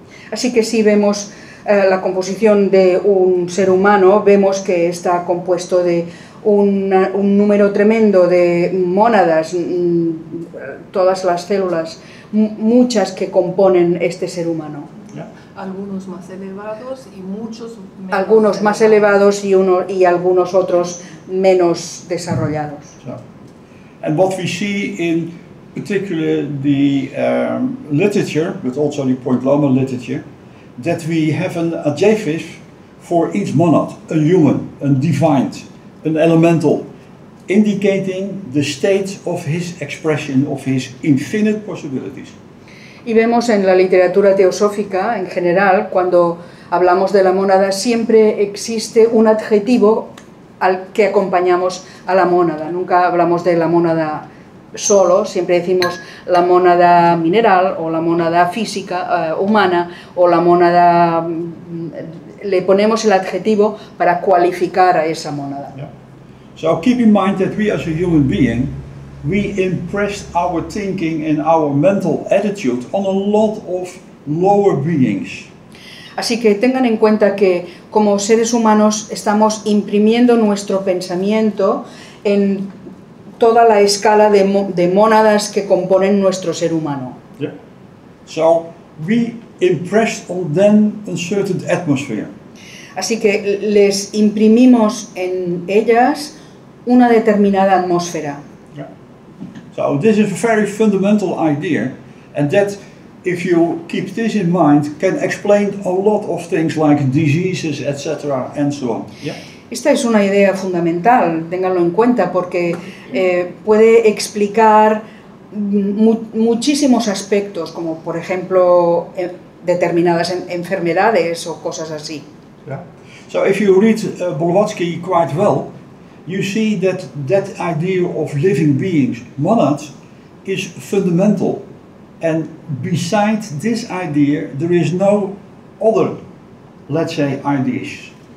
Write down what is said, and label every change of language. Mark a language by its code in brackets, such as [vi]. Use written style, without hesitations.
[es] Así que si vemos la composición de un ser humano, vemos que está compuesto de un número tremendo de mónadas, todas las células, muchas que componen este ser humano. [en] Yeah. [es] Algunos más elevados y muchos menos. Algunos más elevados y algunos otros menos desarrollados. [en] So, and what we see in particularly the literature, but also the Point Loma literature, that we have an Ajayfish for each monad, a human, a divine, an elemental, indicating the state of his expression of his infinite possibilities. [es] Y vemos en la literatura teosófica, en general, cuando hablamos de la mónada, siempre existe un adjetivo al que acompañamos a la mónada. Nunca hablamos de la mónada solo, siempre decimos la mónada mineral, o la mónada física, humana, o la mónada... le ponemos el adjetivo para cualificar a esa mónada. [en] Yeah. So keep in mind that we as a human being, we impressed our thinking and our mental attitude on a lot of lower beings. [es] Así que tengan en cuenta que como seres humanos estamos imprimiendo nuestro pensamiento en toda la escala de mónadas que componen nuestro ser humano. [en] Yeah. So we impressed on them a certain atmosphere. [es] Así que les imprimimos en ellas una determinada atmósfera. [en] So this is a very fundamental idea, and that, if you keep this in mind, can explain a lot of things like diseases, etc., and so on. Yeah. [es] Esta es una idea fundamental. Ténganlo en cuenta porque puede explicar muchísimos aspectos, como por ejemplo determinadas enfermedades o cosas así. [en] Yeah. So if you read Blavatsky quite well, you see that that idea of living beings, monads, is fundamental. And beside this idea, there is no other, let's say, ideas.